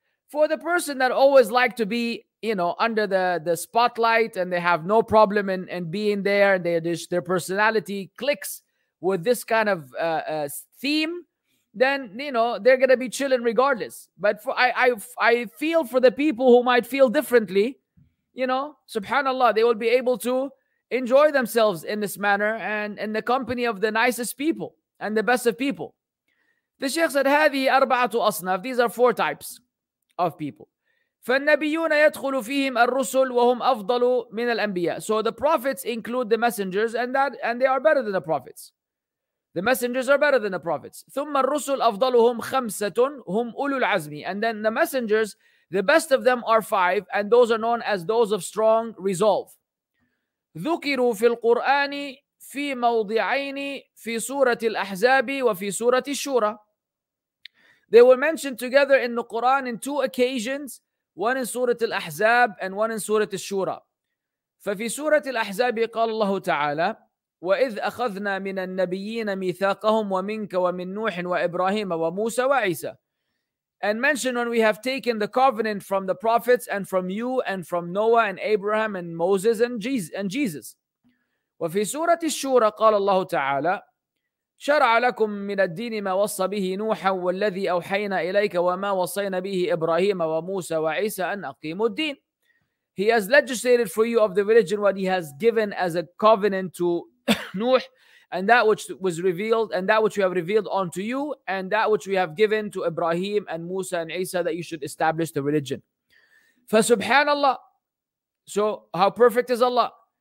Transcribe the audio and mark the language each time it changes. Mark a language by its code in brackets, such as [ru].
[en] For the person that always like to be, under the spotlight, and they have no problem in being there, and their personality clicks with this kind of theme, then, they're going to be chilling regardless. But I feel for the people who might feel differently, subhanAllah, they will be able to enjoy themselves in this manner and in the company of the nicest people and the best of people. The Sheikh said, [ar] هذه أربعة أصناف. [en] These are four types of people. [ar] فالنبيون يدخل فيهم الرسل وهم أفضل من الأنبياء. [en] So the prophets include the messengers, and they are better than the prophets. The messengers are better than the prophets. [ar] ثم الرسل أفضلهم خمسة هم أولو العزم. [en] And then the messengers, the best of them are five, and those are known as those of strong resolve. [ar] ذكروا في القرآن في موضعين في سورة الأحزاب وفي سورة الشورى. [en] They were mentioned together in the Quran in two occasions, one in Surah Al-Ahzab and one in Surah Al-Shura. [ar] فَفِي سُورَةِ الْأَحْزَابِ قَالَ اللَّهُ تَعَالَى وَإِذْ أَخَذْنَا مِنَ النَّبِيِّينَ مِيثَاقَهُمْ وَمِنْكَ وَمِنْ نُوحٍ وَإِبْرَاهِيمَ وَمُوسَى وَعِيسَى. [en] And mentioned when we have taken the covenant from the prophets and from you and from Noah and Abraham and Moses and Jesus. [ar] وَفِي سُورَةِ الشُّورَى قَالَ اللَّهُ تَعَالَى شرع لكم من الدين ما وصى به نوحا والذي أوحينا إليك وما وصينا به إبراهيم وموسى وعيسى أن أقيموا الدين. [en] He has legislated for you of the religion what he has given as a covenant to Nuh and that which was revealed, and that which we have revealed unto you, and that which we have given to Ibrahim and Musa and Isa, that you should establish the religion. [ar] فَسُبْحَانَ اللَّهِ. [en] So how perfect is Allah?